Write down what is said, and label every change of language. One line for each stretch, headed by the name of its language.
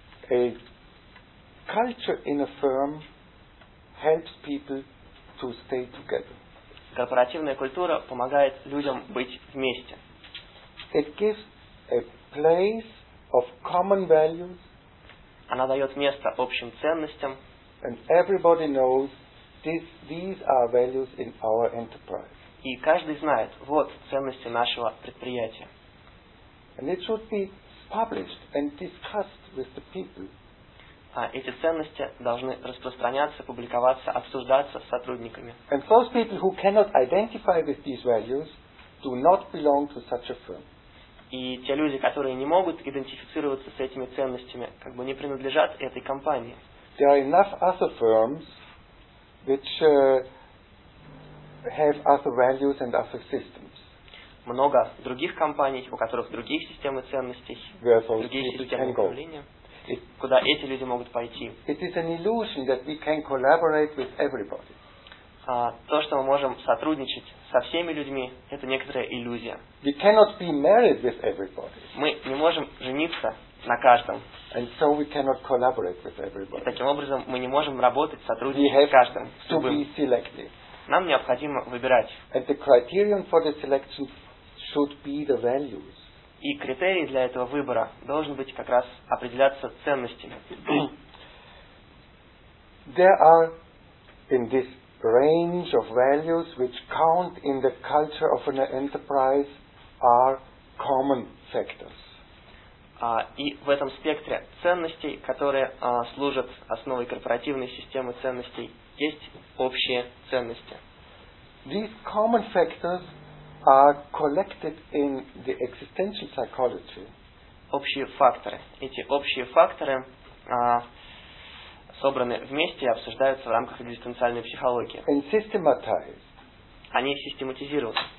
English: A culture in a firm helps people to stay together.
Russian: Корпоративная культура помогает людям быть вместе.
English: It gives a place of common values.
Russian: Она дает место общим ценностям.
English: And everybody knows these are values in our enterprise.
Russian: И каждый знает, вот ценности нашего предприятия.
English: And it should be published and discussed with the people.
Russian: А эти ценности должны распространяться, публиковаться, обсуждаться с сотрудниками.
English: And those people who cannot identify with these values do not belong to such a firm.
Russian: И те люди, которые не могут идентифицироваться с этими ценностями, как бы не принадлежат этой компании.
English: There are enough other firms which have other values and other systems.
Russian: Много других компаний, у которых другие системы ценностей, другие системы управления, куда эти люди могут пойти.
English: It is an illusion that we can collaborate with everybody.
Russian: То, что мы можем сотрудничать со всеми людьми, это некоторая иллюзия.
English: We cannot be married with everybody.
Russian: Мы не можем жениться на каждом.
English: And so we cannot collaborate with everybody.
Russian: И таким образом мы не можем работать, сотрудничать с каждым.
English: We have to be selective.
Russian: Нам необходимо выбирать.
English: And the criterion for the selection should be the values.
Russian: И критерий для этого выбора должен быть как раз определяться ценностями.
English: There are in this range of values which count in the culture of an enterprise are common factors.
Russian: И в этом спектре ценностей, которые служат основой корпоративной системы ценностей, есть общие ценности.
English: These common factors are collected in the existential psychology.
Russian: Общие факторы. Эти общие факторы собраны вместе и обсуждаются в рамках экзистенциальной психологии.
English: And systematized.
Russian: Они систематизированы.